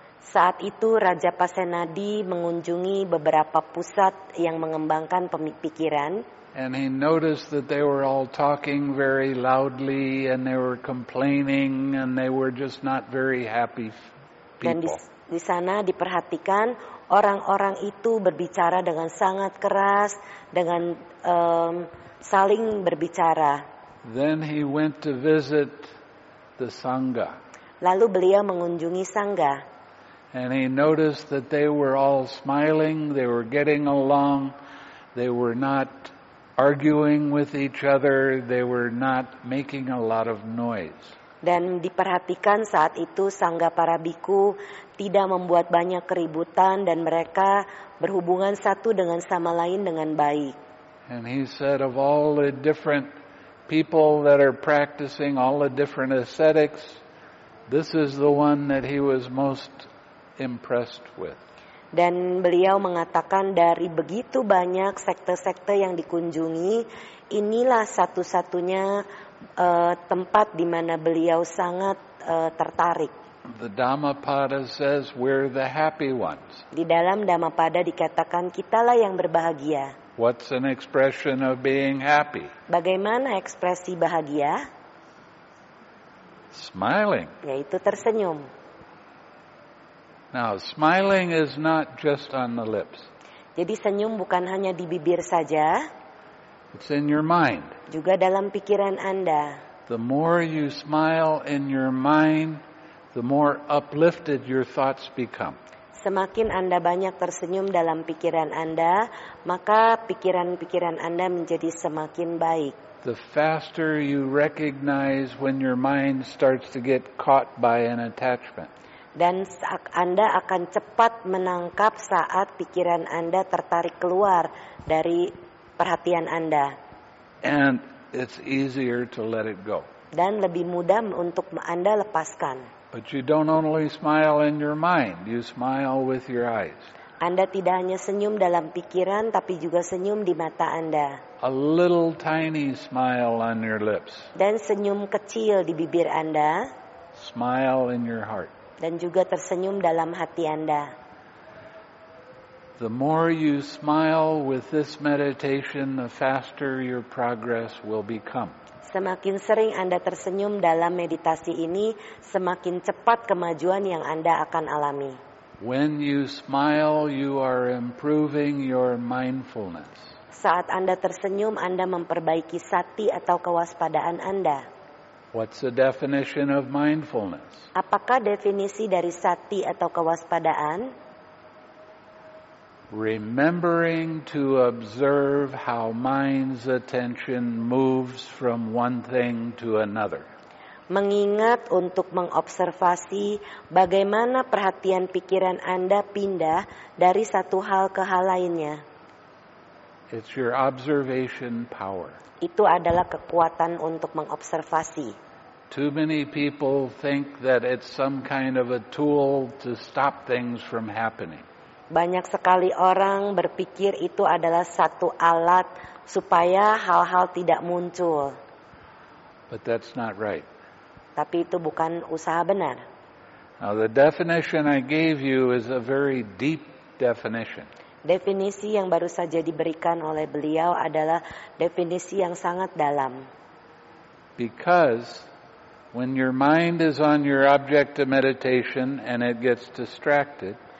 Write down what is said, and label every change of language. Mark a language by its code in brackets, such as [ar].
[id] Saat itu Raja Pasenadi mengunjungi beberapa pusat yang mengembangkan pemikiran. [en] And he noticed that they were all talking very loudly and they were complaining and they were just not very happy people. [id] Dan di sana diperhatikan orang-orang itu berbicara dengan sangat keras, dengan saling berbicara. [en] Then he went to visit the Sangha. [id] Lalu beliau mengunjungi Sangha. [en] And he noticed that they were all smiling, they were getting along, they were not arguing with each other, they were not making a lot of noise. [id] Dan diperhatikan saat itu Sangga para biku tidak membuat banyak keributan dan mereka berhubungan satu dengan sama lain dengan baik. [en] And he said of all the different people that are practicing all the different ascetics, this is the one that he was most impressed with. [id] Dan beliau mengatakan dari begitu banyak sekte-sekte yang dikunjungi, inilah satu-satunya tempat di mana beliau sangat tertarik. [en] The Dhammapada says we're the happy ones. [id] Di dalam Dhammapada dikatakan kitalah yang berbahagia. [en] What's an expression of being happy? [id] Bagaimana ekspresi bahagia? [en] Smiling. [id] Yaitu tersenyum. [en] Now, smiling is not just on the lips. [id] Jadi senyum bukan hanya di bibir saja. [en] It's in your mind. [id] Juga dalam pikiran Anda. [en] The more you smile in your mind, the more uplifted your thoughts become. [id] Semakin Anda banyak tersenyum dalam pikiran Anda, maka pikiran-pikiran Anda menjadi semakin baik. [en] The faster you recognize when your mind starts to get caught by an attachment. [id] Dan Anda akan cepat menangkap saat pikiran Anda tertarik keluar dari perhatian Anda. [en] And it's easier to let it go. [id] Dan lebih mudah untuk Anda lepaskan. [en] But you don't only smile in your mind, you smile with your eyes. [id] Anda tidak hanya senyum dalam pikiran, tapi juga senyum di mata Anda. [en] A little tiny smile on your lips. [id] Dan senyum kecil di bibir Anda. [en] Smile in your heart. [id] Dan juga tersenyum dalam hati Anda. [en] The more you smile with this meditation, the faster your progress will become. [id] Semakin sering Anda tersenyum dalam meditasi ini, semakin cepat kemajuan yang Anda akan alami. [en] When you smile, you are improving your mindfulness. [id] Saat Anda tersenyum, Anda memperbaiki sati atau kewaspadaan Anda. [en] What's the definition of mindfulness? [id] Apakah definisi dari sati atau kewaspadaan? [en] Remembering to observe how mind's attention moves from one thing to another. [id] Mengingat untuk mengobservasi bagaimana perhatian pikiran Anda pindah dari satu hal ke hal lainnya. [en] It's your observation power. [id] Itu adalah kekuatan untuk mengobservasi. [en] Too many people think that it's some kind of a tool to stop things from happening. [id] Banyak sekali orang berpikir itu adalah satu alat supaya hal-hal tidak muncul. [en] But that's not right. [id] Tapi itu bukan usaha benar. [en] Now the definition I gave you is a very deep definition. [id] Definisi yang baru saja diberikan oleh beliau adalah definisi yang sangat dalam. [en] Because when your mind is on your object of meditation and it gets distracted.